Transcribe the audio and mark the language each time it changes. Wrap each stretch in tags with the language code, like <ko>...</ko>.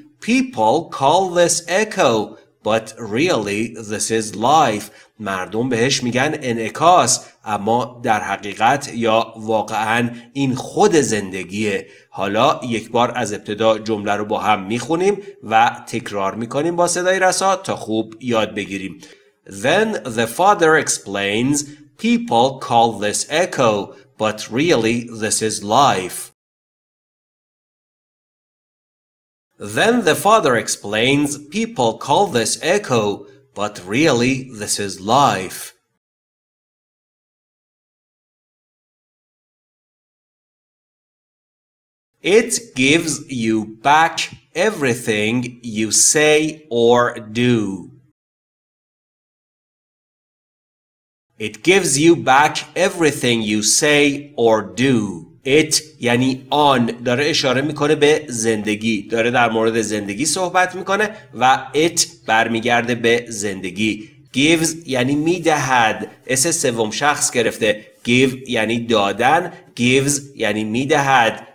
<en>People call this echo but really this is life.</en> <fa>مردم بهش میگن انعکاس اما در حقیقت یا واقعا این خود زندگیه. حالا یک بار از ابتدا جمله رو با هم میخونیم و تکرار میکنیم با صدای رسا تا خوب یاد بگیریم.</fa> <en>Then the father explains, people call this echo, but really this is life. Then the father explains, people call this echo, but really this is life. It gives you back everything you say or do. It gives you back everything you say or do.</en> <fa>It یعنی آن داره اشاره میکنه به زندگی. داره در مورد زندگی صحبت میکنه و it برمیگرده به زندگی. Gives یعنی میدهد. اس سوم شخص گرفته. Give یعنی دادن. Gives یعنی میدهد.</fa>